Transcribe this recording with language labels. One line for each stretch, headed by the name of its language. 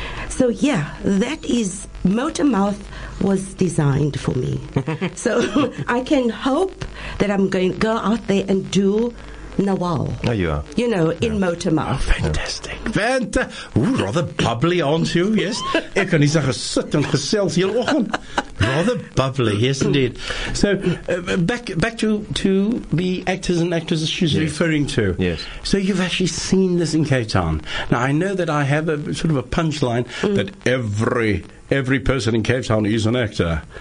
English: So yeah, that is Motor Mouth was designed for me. So I can hope that I'm going to go out there and do Nawal. Oh, you are. You know, in Motor Mouth. Oh, fantastic. Ooh, rather bubbly, aren't you? Yes.
Afrikaans: Ek kan nie sê gesit en gesels heel oggend.
English: Rather bubbly, yes, indeed. So, back to the actors and actresses she's referring to. Yes. So you've actually seen this in Cape Town. Now, I know that I have a sort of a punchline that every person in Cape Town is an actor.